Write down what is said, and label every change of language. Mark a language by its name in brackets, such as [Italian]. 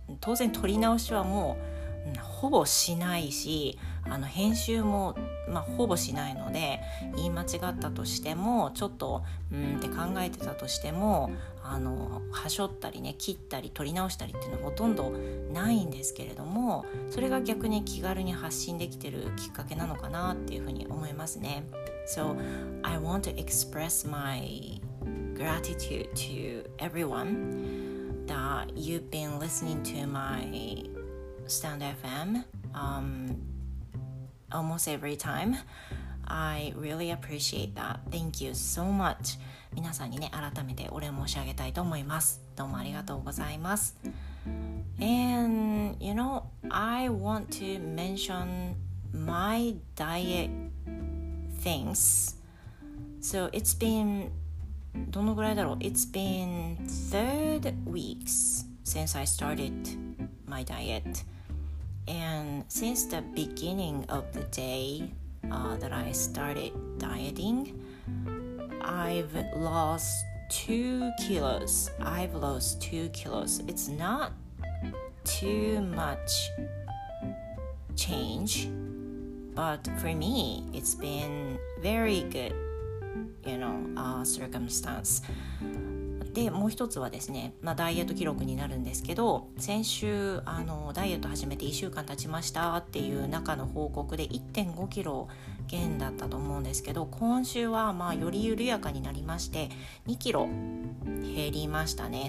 [Japanese] 当然撮り直しはもうほぼしないし、編集も、まあ、ほぼしないので、言い間違ったとしてもちょっとって考えてたとしても、端折ったりね、切ったり取り直したりっていうのはほとんどないんですけれども、それが逆に気軽に発信できてるきっかけなのかなっていうふうに思いますね。 [English] So I want to express my gratitude to everyone that you've been listening to myStand FM almost every time. I really appreciate that. Thank you so much. [Japanese] 皆さんにね、改めてお礼申し上げたいと思います。どうもありがとうございます。 [English] And you know, I want to mention my diet things. So it's been [Japanese] どのぐらいだろう? [English] It's been 3 weeks since I started my dietAnd since the beginning of the day that I started dieting, I've lost 2 kilos. I've lost 2 kilos. It's not too much change, but for me, it's been very good, you know, circumstance. [Japanese] でもう一つはですね、まあ、ダイエット記録になるんですけど、先週ダイエット始めて1週間経ちましたっていう中の報告で 1.5 キロ減だったと思うんですけど、今週はまあより緩やかになりまして2キロ減りましたね。